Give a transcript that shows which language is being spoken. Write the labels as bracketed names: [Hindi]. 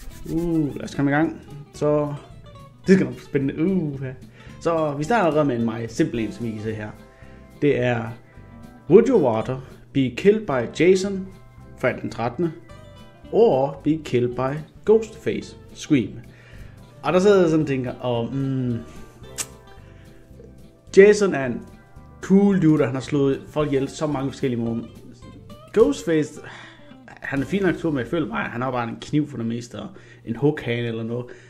[Danish] Lad os komme i gang. Så det skal nok blive spændende. Så vi starter allerede med en meget simpel en, som I kan se her. Det er, [English] would you rather be killed by Jason [Danish] fra den 13. [English] or be killed by Ghostface Scream? [Danish] Og der sidder jeg sådan og tænker, Jason er en cool dude, han har slået folk ihjel så mange forskellige måder. Ghostface, han er fin aktør, men jeg føler mig, han har bare en kniv for det meste, og en hookhane eller noget.